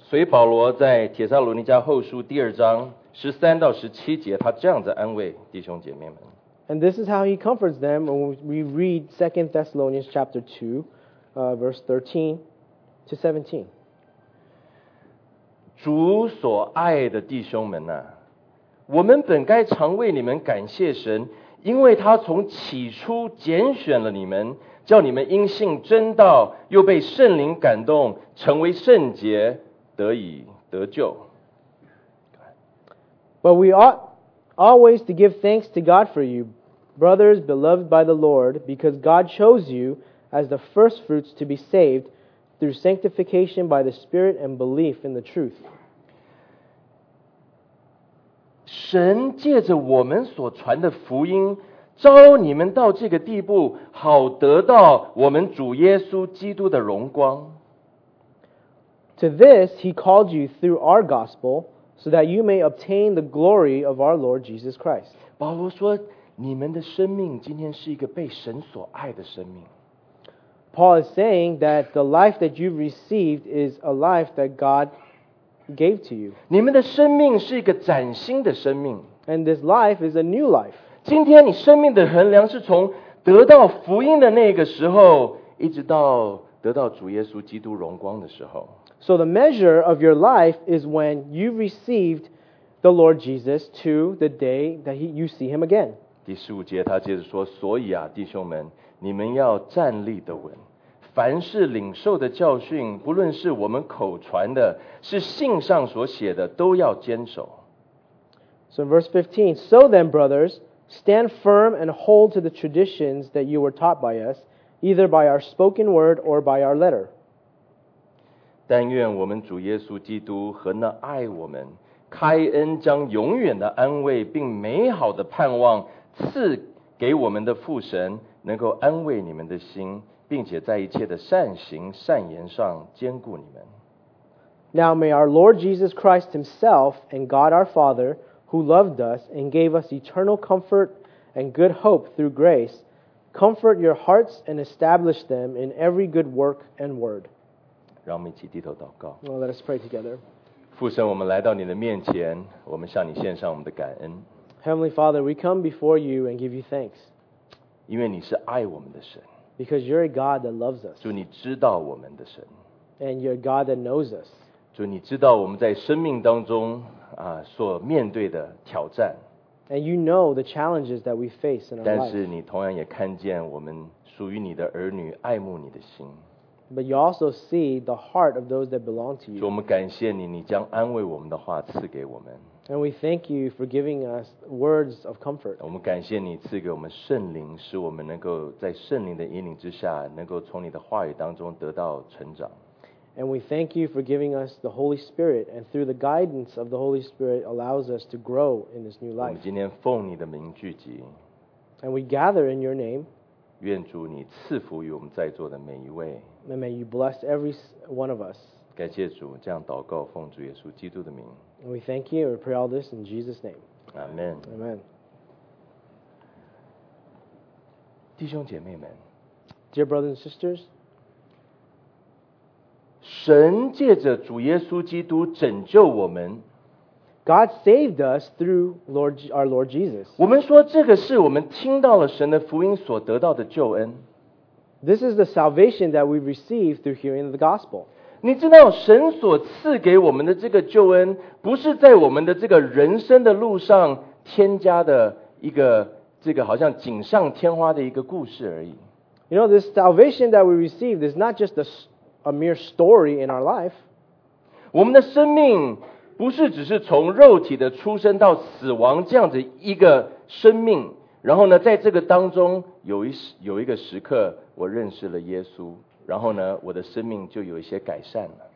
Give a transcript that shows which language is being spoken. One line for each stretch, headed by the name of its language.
Chinese: 所以保罗在帖撒罗尼迦后书第二章十三到十七节，他这样子安慰弟兄姐妹们。
English: And this is how he comforts them. When we read 2 Thessalonians chapter 2, verse 13 to 17.
Chinese: 主所爱的弟兄们啊，我们本该常为你们感谢神，因为他从起初拣选了你们，叫你们因信真道，又被圣灵感动，成为圣洁，得以得救。
English: But we ought always to give thanks to God for you, brothers beloved by the Lord, because God chose you as the first fruits to be saved through sanctification by the Spirit and belief in the truth.
Chinese: 神借着我们所传的福音招你们到这个地步，好得到我们主耶稣基督的荣光。
English: To this he called you through our gospel, so that you may obtain the glory of our Lord Jesus Christ.
Chinese: 保罗说，你们的生命今天是一个被神所爱的生命。
English: Paul is saying that the life that you've received is a life that God gave to you.
Chinese: 你们的生命是一个崭新的生命。
English: And this life is a new life.
Chinese: 今天你生命的衡量是从得到福音的那个时候，一直到得到主耶稣基督荣光的时候。
English: So the measure of your life is when you received the Lord Jesus to the day that you see him again.
Chinese: 第十五节他接着说，所以啊，弟兄们，你们要站立得稳，凡是领受的教训，不论是我们口传的，是信上所写的，都要坚守。
English: So in verse 15, So then, brothers, stand firm and hold to the traditions that you were taught by us, either by our spoken word or by our letter.
Chinese: 但愿我们主耶稣基督和那爱我们、开恩将永远的安慰并美好的盼望赐给我们的父神，能够安慰你们的心，并且在一切的善行善言上坚固你们。
English: Now may our Lord Jesus Christ Himself and God our Father, who loved us and gave us eternal comfort and good hope through grace, comfort your hearts and establish them in every good work and word.
Chinese: 让我们一起低头祷告。
English: Well, let us pray together.
Chinese: 父神，我们来到你的面前，我们向你献上我们的感恩。
English: Heavenly Father, we come before you and give you thanks.
Chinese: 因为你是爱我们的神。
English: Because you're a God that loves us.
Chinese: 主，你知道我们的神。
English: And you're a God that knows us.
Chinese: 主，你知道我们在生命当中所面对的挑战。
English: And you know the challenges that we face in our life.
Chinese: 但是你同样也看见我们属于你的儿女爱慕你的心。
English: But you also see the heart of those that belong to you.
Chinese: 主，我们感谢你，你将安慰我们的话赐给我们。
English: And we thank you for giving us words of comfort.
Chinese: 我们感谢你赐给我们圣灵，使我们能够在圣灵的引领之下，能够从你的话语当中得到成长。
English: And we thank you for giving us the Holy Spirit, and through the guidance of the Holy Spirit allows us to grow in this new life.
Chinese: 我们今天奉你的名聚集。
English: And we gather in your name.
Chinese: 愿主你赐福于我们在座的每一位。
English: And may you bless every one of us.
Chinese: 感谢主，这样祷告，奉主耶稣基督的名。
English: And we thank you. We pray all this in Jesus' name. Amen. Amen.
Chinese: 弟兄姐妹们
English: ，Dear brothers and sisters,
Chinese: 神借着主耶稣基督拯救我们。
English: God saved us through our Lord Jesus.
Chinese: 我们说这个是我们听到了神的福音所得到的救恩。
English: This is the salvation that we receive through hearing the gospel.
Chinese: 你知道神所赐给我们的这个救恩，不是在我们的这个人生的路上添加的一个这个好像锦上添花的一个故事而已。
English: You know, this salvation that we received is not just a mere story in our life.
Chinese: 我们的生命不是只是从肉体的出生到死亡这样子一个生命，然后呢，在这个当中有一个时刻。我认识了耶稣，然后呢，我的生命就有一些改善了。